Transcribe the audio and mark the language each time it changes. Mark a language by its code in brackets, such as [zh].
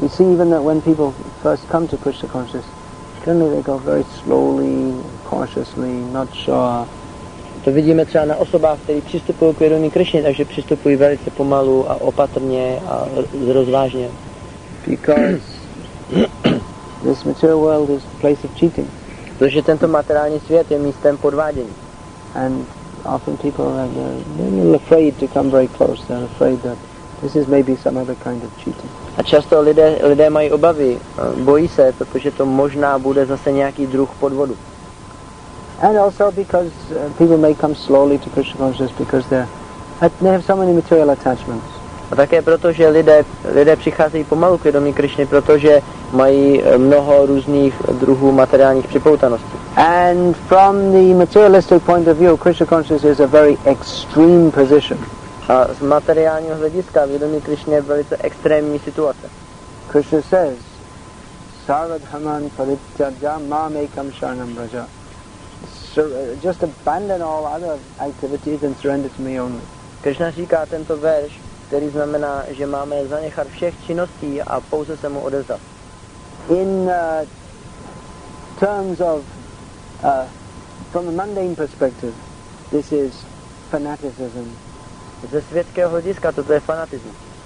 [en] You see, even that when people first come to Krishna consciousness, generally they go very slowly, cautiously, not sure. [cs] To vidíme třeba na osobách, které přistupují k vědomí Krishna, takže přistupují velice pomalu a opatrně a rozvážně. [en] Because this material world is a place of cheating. [cs] Protože tento materiální svět je místem podvádění. [en] And often people are a little afraid to come very close. They're afraid that this is maybe some other kind of cheating. [cs] A často lidé mají obavy, bojí se, protože to možná bude zase nějaký druh podvodu. [en] And also because people may come slowly to Krishna consciousness because they have so many material attachments. [cs] A také proto, že lidé přicházejí pomalu k vědomí Krišny, protože mají mnoho různých druhů materiálních připoutaností. [en] And from the materialistic point of view, Krishna consciousness is a very extreme position. [cs] A z materiálního hlediska vědomí Krišny je velice extrémní situace. [en] Krishna says, [sa] Sarvadhaman parityaja mam ekam sharanam raja. [en] Just abandon all other activities and surrender to me only. [cs] Krishna říká tento verš, který znamená, že máme zanechat všech činností a pouze se mu odevzdat. [en] In terms of from a mundane perspective, this is fanaticism. [cs] Ze světského hlediska toto je fanatismus.